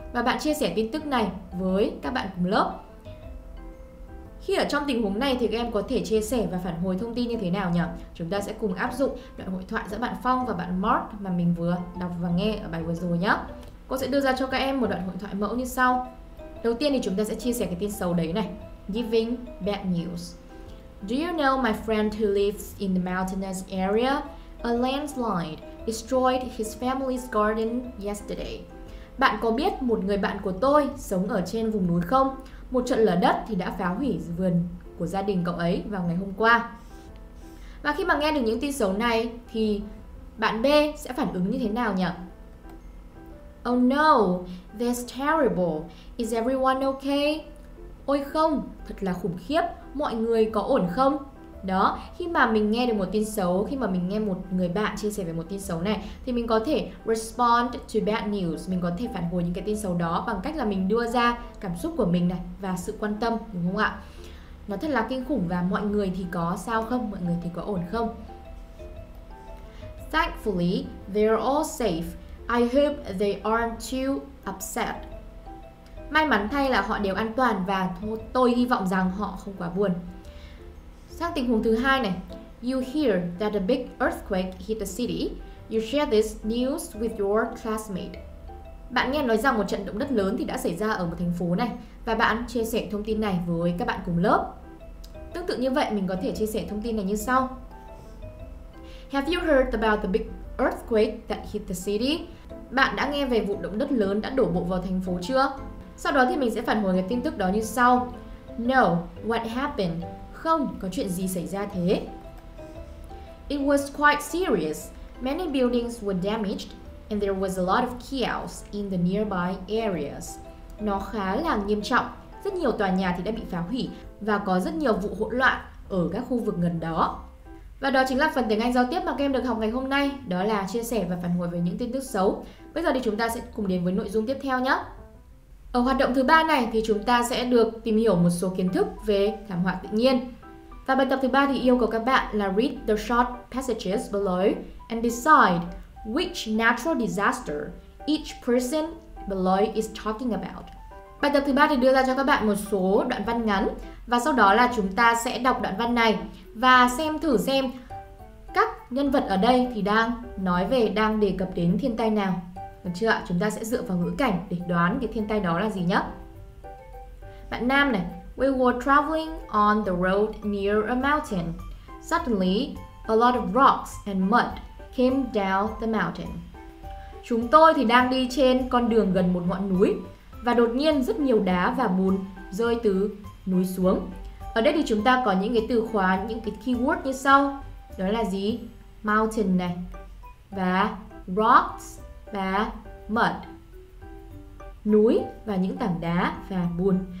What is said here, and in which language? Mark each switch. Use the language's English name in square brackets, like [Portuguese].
[Vietnamese] Và bạn chia sẻ tin tức này với các bạn cùng lớp. Khi ở trong tình huống này thì các em có thể chia sẻ và phản hồi thông tin như thế nào nhỉ? Chúng ta sẽ cùng áp dụng đoạn hội thoại giữa bạn Phong và bạn Mark mà mình vừa đọc và nghe ở bài vừa rồi nhé. Cô sẽ đưa ra cho các em một đoạn hội thoại mẫu như sau. Đầu tiên thì chúng ta sẽ chia sẻ cái tin xấu đấy này. [English] Giving bad news. Do you know my friend who lives in the mountainous area? A landslide destroyed his family's garden yesterday. [Vietnamese] Bạn có biết một người bạn của tôi sống ở trên vùng núi không? Một trận lở đất thì đã phá hủy vườn của gia đình cậu ấy vào ngày hôm qua. Và khi mà nghe được những tin xấu này thì bạn B sẽ phản ứng như thế nào nhỉ? [English] Oh no, that's terrible. Is everyone okay? [Vietnamese] Ôi không, thật là khủng khiếp, mọi người có ổn không? Đó, khi mà mình nghe được một tin xấu, khi mà mình nghe một người bạn chia sẻ về một tin xấu này, thì mình có thể [English] respond to bad news, [Vietnamese] mình có thể phản hồi những cái tin xấu đó bằng cách là mình đưa ra cảm xúc của mình này và sự quan tâm, đúng không ạ? Nó thật là kinh khủng và mọi người thì có sao không? Mọi người thì có ổn không? [English] Thankfully, they're all safe. I hope they aren't too upset. [Vietnamese] May mắn thay là họ đều an toàn và tôi hy vọng rằng họ không quá buồn. Sang tình huống thứ hai này. [English] You hear that a big earthquake hit the city. You share this news with your classmate. [Vietnamese] Bạn nghe nói rằng một trận động đất lớn thì đã xảy ra ở một thành phố này và bạn chia sẻ thông tin này với các bạn cùng lớp. Tương tự như vậy, mình có thể chia sẻ thông tin này như sau. [English] Have you heard about the big earthquake that hit the city? [Vietnamese] Bạn đã nghe về vụ động đất lớn đã đổ bộ vào thành phố chưa? Sau đó thì mình sẽ phản hồi cái tin tức đó như sau. [English] No, what happened? [Vietnamese] Không, có chuyện gì xảy ra thế? [English] It was quite serious. Many buildings were damaged and there was a lot of chaos in the nearby areas. [Vietnamese] Nó khá là nghiêm trọng. Rất nhiều tòa nhà thì đã bị phá hủy và có rất nhiều vụ hỗn loạn ở các khu vực gần đó. Và đó chính là phần tiếng Anh giao tiếp mà các em được học ngày hôm nay, đó là chia sẻ và phản hồi về những tin tức xấu. Bây giờ thì chúng ta sẽ cùng đến với nội dung tiếp theo nhé. Ở hoạt động thứ 3 này thì chúng ta sẽ được tìm hiểu một số kiến thức về thảm họa tự nhiên. Và bài tập thứ 3 thì yêu cầu các bạn là [English] read the short passages below and decide which natural disaster each person below is talking about. [Vietnamese] Bài tập thứ 3 thì đưa ra cho các bạn một số đoạn văn ngắn và sau đó là chúng ta sẽ đọc đoạn văn này và xem thử xem các nhân vật ở đây thì đang nói về, đang đề cập đến thiên tai nào. Được chưa ạ? Chúng ta sẽ dựa vào ngữ cảnh để đoán cái thiên tai đó là gì nhé. Bạn Nam này. [English] We were traveling on the road near a mountain. Suddenly, a lot of rocks and mud came down the mountain. [Vietnamese] Chúng tôi thì đang đi trên con đường gần một ngọn núi và đột nhiên rất nhiều đá và bùn rơi từ núi xuống. Ở đây thì chúng ta có những cái từ khóa, những cái keyword như sau. Đó là gì? Mountain này. Và rocks và mud. Núi và những tảng đá và bùn.